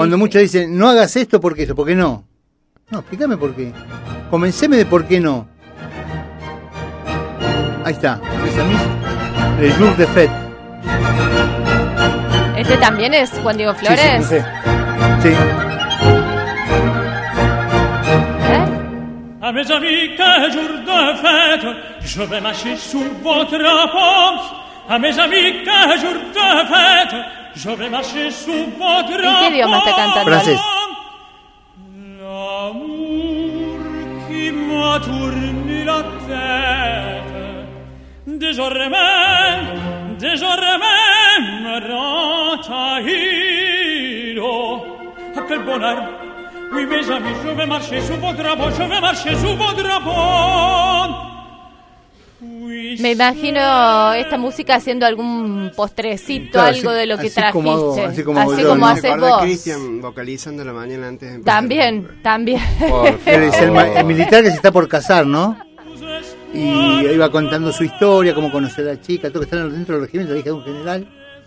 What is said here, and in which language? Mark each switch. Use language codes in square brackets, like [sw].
[es] Cuando muchos dicen, no hagas esto porque eso, ¿por qué no? No, explícame por qué. Convenceme de por qué no. Ahí está. Le Jour de Fête. ¿Este también es Juan Diego Flores? Sí. [fr] À mes amis, quel jour de fête, je vais marcher sur votre pomme. À mes amis, quel jour de fête, je vais marcher sur votre pomme. Francis. L'amour qui m'a tourné la tête, désormais me rend haïr. Oh, quel bonheur. Oui, mes amis, je vais marcher sous vos drapeaux, je vais marcher sous vos drapeaux. [es] Oui, me imagino esta música haciendo algún postrecito, claro, algo así, de lo que así trajiste. Como hago, así como, así como haces vos. Me acuerdo de Cristian vocalizando la mañana antes de empezar. También. El militar que se está por casar, ¿no? Y iba contando su historia, cómo conocer a la chica, todo, que está dentro del regimiento, la hija de un general.